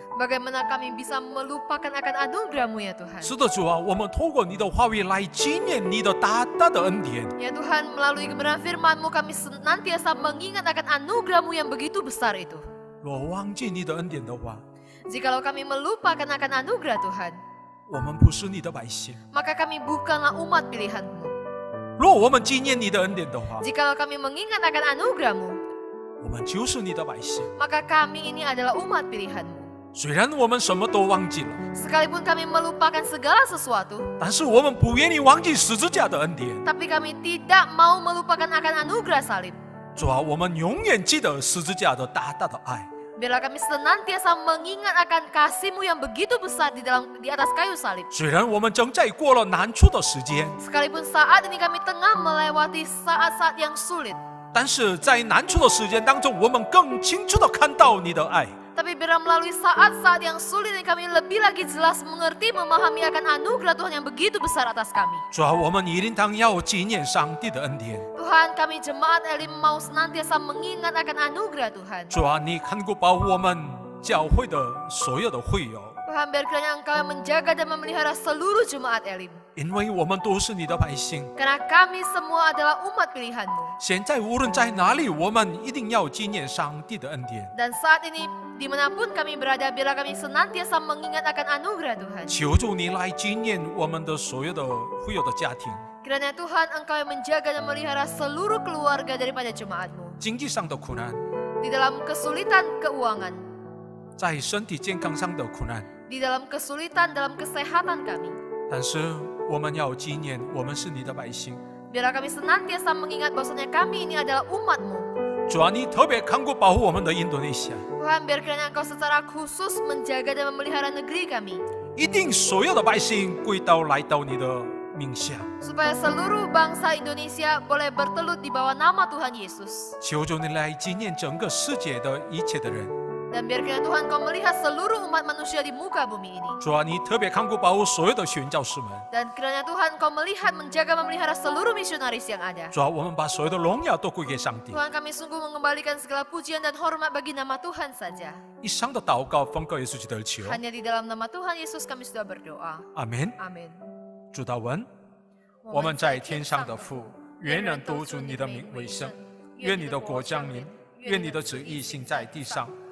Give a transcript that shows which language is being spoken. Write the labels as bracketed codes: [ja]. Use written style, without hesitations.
[id] Bagaimana kami bisa melupakan akan anugerah-Mu ya Tuhan? [zh] 是的主啊, 我们透过你的话语来纪念你的大大的恩典。 [id] Ya Tuhan, melalui kebenaran firman-Mu kami senantiasa mengingat akan anugerah-Mu yang begitu besar itu. [zh] 若忘记你的恩典的话, [id] jikalau kami melupakan akan anugerah Tuhan, [zh] 我们不是你的百姓。 [id] Maka kami bukanlah umat pilihan-Mu. [zh] 若我们纪念你的恩典的话, [id] jikalau kami mengingat akan anugerah-Mu, [zh] 我们就是你的百姓, [id] maka kami ini adalah umat pilihan-Mu. [zh] 虽然我们什么都忘记了, [id] sekalipun kami melupakan segala sesuatu, [zh] 但是我们不愿意忘记十字架的恩典, [id] tapi kami tidak mau melupakan akan anugerah salib. [zh] 主啊, 我们永远记得十字架的大大的爱, [id] biarlah kami senantiasa mengingat akan kasih-Mu yang begitu besar di dalam di atas kayu salib. [zh] 虽然我们正在过了难处的时间, [id] sekalipun saat ini kami tengah melewati saat-saat yang sulit, [zh] 但是在难处的时间当中我们更清楚地看到你的爱。 [id] Tapi biarlah melalui saat-saat yang sulit ini kami lebih lagi jelas mengerti, memahami akan anugerah Tuhan yang begitu besar atas kami. [zh] 主啊,我们一定当要纪念上帝的恩典。 [id] Tuhan, kami jemaat Elim mau senantiasa mengingat akan anugerah Tuhan. [zh] 主啊,你看顾把我们教会的所有的会友。 [id] Tuhan, biar kiranya Engkau yang menjaga dan memelihara seluruh jemaat Elim. [zh] 因为我们都是你的百姓。 [id] Karena kami semua adalah umat pilihan-Mu. [zh] 现在无论在哪里,我们一定要纪念上帝的恩典。 [id] Dan saat ini, dimanapun kami berada, biarlah kami senantiasa mengingat akan anugerah Tuhan. [zh] 求主你来纪念我们的所有的会友的家庭。 [id] Kiranya Tuhan, Engkau yang menjaga dan memelihara seluruh keluarga daripada jemaat-Mu. [zh] 经济上的苦难。 [id] Di dalam kesulitan keuangan. [zh] 在身体健康上的苦难。 [id] Di dalam kesulitan dalam kesehatan kami. [zh] 但是我们要纪念我们是你的百姓。 [id] Biarlah kami senantiasa mengingat bahwasanya kami ini adalah umat-Mu. [zh] 主啊,你特别看顾保护我们的印度尼西亚。 [id] Tuhan, biarkan Engkau secara khusus menjaga dan memelihara negeri kami. [zh] 一定所有的百姓归到来到你的名下。 [id] Supaya seluruh bangsa Indonesia boleh bertelut di bawah nama Tuhan Yesus. [zh] 求主你来纪念整个世界的一切的人。 [id] Dan biarkan Tuhan Kau melihat seluruh umat manusia di muka bumi ini. [zh] 主啊,你特别看顾保护所有的宣教士们。 [id] Dan kiranya Tuhan Kau melihat, menjaga, memelihara seluruh misionaris yang ada. [zh] 主啊,我们把所有的荣耀都归给上帝。 [id] Tuhan, kami sungguh mengembalikan segala pujian dan hormat bagi nama Tuhan saja. [zh] 以上的祷告奉告耶稣基督的求。 [id] Hanya di dalam nama Tuhan Yesus kami sudah berdoa. Amin. Amin. [zh] 主祷文，我们在天上的父，愿人都尊你的名为圣，愿你的国降临，愿你的旨意行在地上。